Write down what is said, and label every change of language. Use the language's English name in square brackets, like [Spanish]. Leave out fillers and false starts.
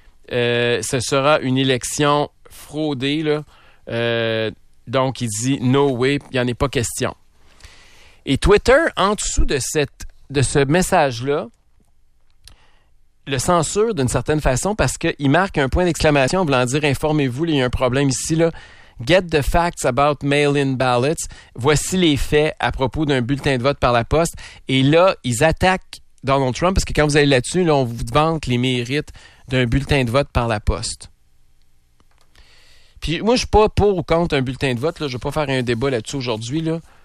[French] Ce sera une élection fraudée. Là. Donc, il dit no way. Il n'y en est pas question. Et Twitter, en dessous de ce message-là, le censure d'une certaine façon parce qu'il marque un point d'exclamation en voulant dire « Informez-vous, il y a un problème ici. Là. [English] Get the facts about mail-in ballots. [French] Voici les faits à propos d'un bulletin de vote par la poste. » Et là, ils attaquent Donald Trump parce que quand vous allez là-dessus, là, on vous vante les mérites d'un bulletin de vote par la poste. Puis moi, je ne suis pas pour ou contre un bulletin de vote. Là. Je ne vais pas faire un débat là-dessus aujourd'hui. Là.